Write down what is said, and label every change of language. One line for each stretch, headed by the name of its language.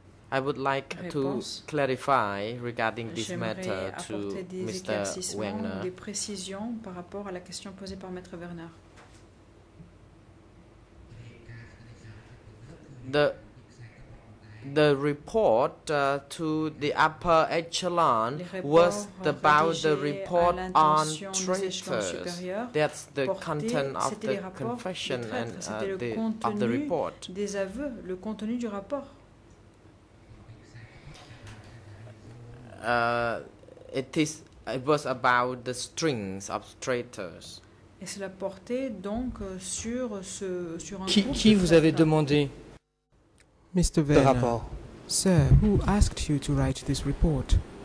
English: I would like to clarify regarding this matter to Mr. Werner.
French: Des précisions par rapport à la question posée par Maître Werner.
English: The report to the upper echelon was about the report on traitors. That's the content of the confession and of the report.
French: Des aveux, le contenu du rapport.
English: It was about the strings of traitors.
French: Et cela portait donc sur ce sur un qui vous avez demandé
English: Mr. Werner, sir, who asked you to write this report?